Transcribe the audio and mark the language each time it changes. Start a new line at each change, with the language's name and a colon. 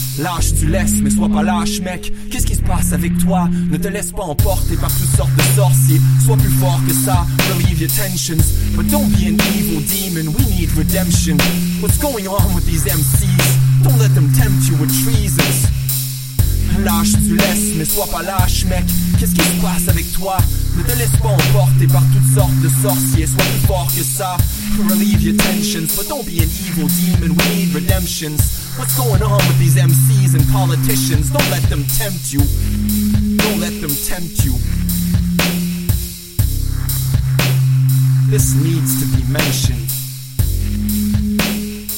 French: Lâche, tu laisses, mais sois pas lâche, mec. Qu'est-ce qui se passe avec toi? Ne te laisse pas emporter par toutes sortes de sorciers. Sois plus fort que ça,
English: relieve your tensions. But don't be an evil demon, we need redemption. What's going on with these MCs? Don't let them tempt you with treasons.
French: Lâche, tu laisses, mais sois pas lâche, mec. Qu'est-ce qui se passe avec toi? Ne te laisse pas emporter par toutes sortes de sorciers. Sois plus fort que ça,
English: relieve your tensions. But don't be an evil demon, we need redemptions. What's going on with these MCs and politicians? Don't let them tempt you. Don't let them tempt you. This needs to be mentioned.